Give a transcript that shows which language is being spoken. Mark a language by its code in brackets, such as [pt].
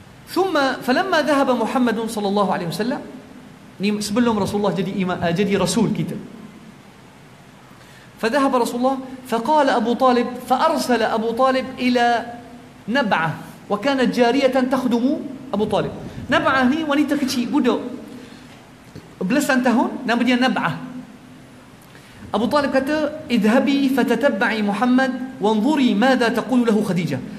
[ar] ثم فلما ذهب محمد صلى الله عليه وسلم [ms] sebelum Rasulullah jadi rasul kita, [ar] فذهب Rasulullah فقال ابو طالب فارسل ابو طالب الى نبعه وكانت جاريه تخدم ابو طالب. [ms] نبعه ni wanita kecil, budak belasan tahun, nama dia Nab'ah. Abu Talib kata [ar] اذهبي فتتبعي محمد وانظري ماذا تقول له خديجه.